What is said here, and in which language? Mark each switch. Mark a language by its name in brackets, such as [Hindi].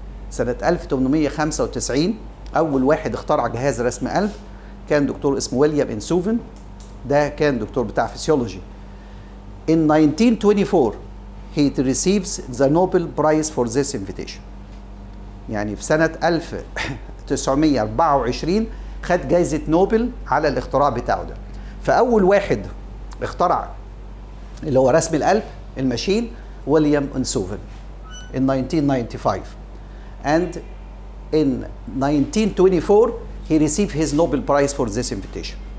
[Arabic] سنة 1895 أول واحد اخترع جهاز رسم قلب كان دكتور اسمه ويليام إنسوفن. ده كان دكتور بتاع فيسيولوجي. [English] In 1924 he receives the Nobel Prize for this invention. [Arabic] يعني في سنة 1924 خد جائزة نوبل على الاختراع بتاعه ده. فأول واحد اخترع اللي هو رسم القلب المشين ويليام إنسوفن [English] in 1995. And in 1924 he received his Nobel Prize for this invention.